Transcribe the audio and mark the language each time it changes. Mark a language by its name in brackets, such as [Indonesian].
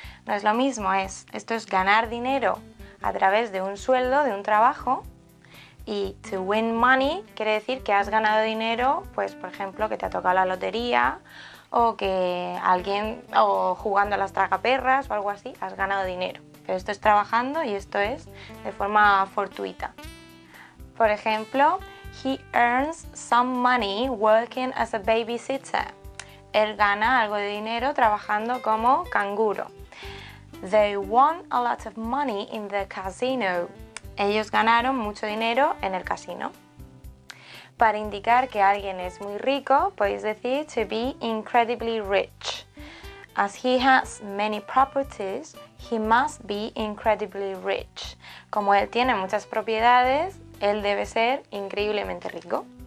[Spanish] No es lo mismo, esto es ganar dinero a través de un sueldo, de un trabajo, y [English] to win money [Spanish] quiere decir que has ganado dinero, pues por ejemplo que te ha tocado la lotería o que alguien, o jugando a las tragaperras o algo así, has ganado dinero. Pero esto es trabajando y esto es de forma fortuita. Por ejemplo, [English] he earns some money working as a babysitter. [Spanish] Él gana algo de dinero trabajando como canguro. [English] They won a lot of money in the casino. [Spanish] Ellos ganaron mucho dinero en el casino. Para indicar que alguien es muy rico, podéis decir [English] to be incredibly rich. As he has many properties, he must be incredibly rich. [Spanish] Como él tiene muchas propiedades, él debe ser increíblemente rico.